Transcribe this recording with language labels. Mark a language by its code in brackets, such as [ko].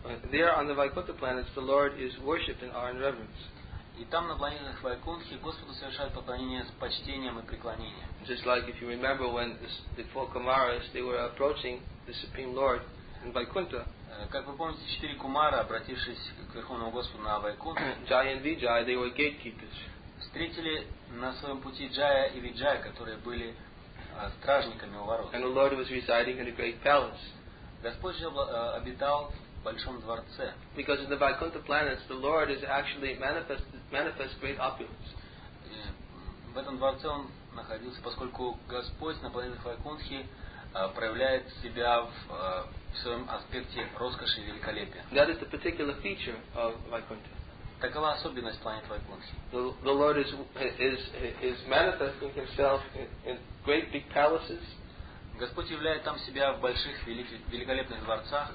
[en] There on the Vaikuntha planets, the Lord is worshipped in awe and reverence. [ru] И там на планетах Вайкунтхи Господу совершают поклонение с почтением и преклонением. [en] Just like if you remember when the four Kumaras they were approaching the Supreme Lord in Vaikuntha. [ru] Как вы помните, четыре Кумара, обратившись к Верховному Господу на Вайкунтхе, [en] Jaya and Vijaya, they were gatekeepers. [ru] Встретили на своем пути Джая и Виджая, которые были стражниками у ворот. [en] And the Lord was residing in a great palace. [ru] Господь же обитал в большом дворце. [en] Because in the Vaikuntha planets, the Lord is actually manifests great opulence. [ru] В этом дворце он находился, поскольку Господь на планетах Вайкунтхи проявляет себя в своем аспекте роскоши и великолепия. [en] That is the particular feature of Vaikuntha. [ru] Такова особенность планеты Вайкунтхи. [en] The Lord is manifesting himself in great big palaces. [ru] Господь являет там себя в больших великолепных дворцах.